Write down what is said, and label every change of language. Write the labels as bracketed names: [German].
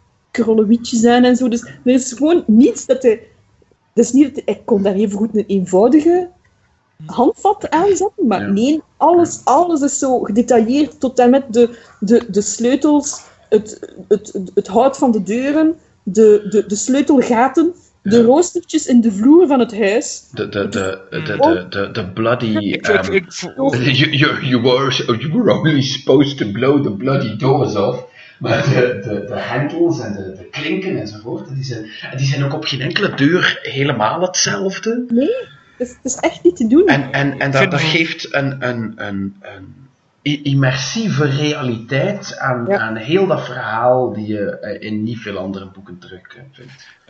[Dutch] krollewietjes aan en zo. Dus er is gewoon niets dat hij... Dus niet dat ik kon daar even goed een eenvoudige handvat aan zetten, maar nee, alles is zo gedetailleerd, tot en met de sleutels, het hout van de deuren, de sleutelgaten, de roostertjes in de vloer van het huis. De bloody... [English] You were only supposed to blow the bloody doors off. [Dutch] Maar de hendels en de klinken enzovoort, die zijn ook op geen enkele deur helemaal hetzelfde. Nee, dat is echt niet te doen. En dat geeft een immersieve realiteit aan heel dat verhaal die je in niet veel andere boeken terug vindt.